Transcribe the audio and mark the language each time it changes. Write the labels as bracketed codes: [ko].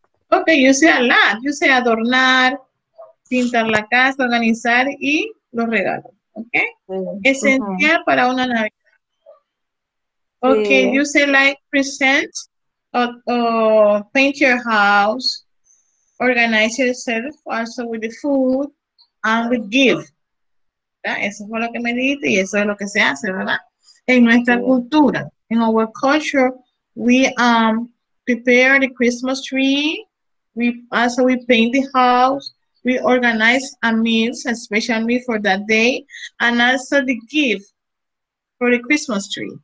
[en] Okay, [es] yo sé [en] a lot. [es] Yo sé adornar, pintar la casa, organizar y los regalos. Okay. Esencial para una Navidad. [en] Okay, you say like present or paint your house, organize yourself also with the food and with gift. [es] ¿Verdad? Eso fue lo que me dijiste y eso es lo que se hace, ¿verdad? En nuestra cultura, [en] in our culture, we prepare the Christmas tree, we paint the house, we organize a meal, a special meal for that day, and also the gift for the Christmas tree.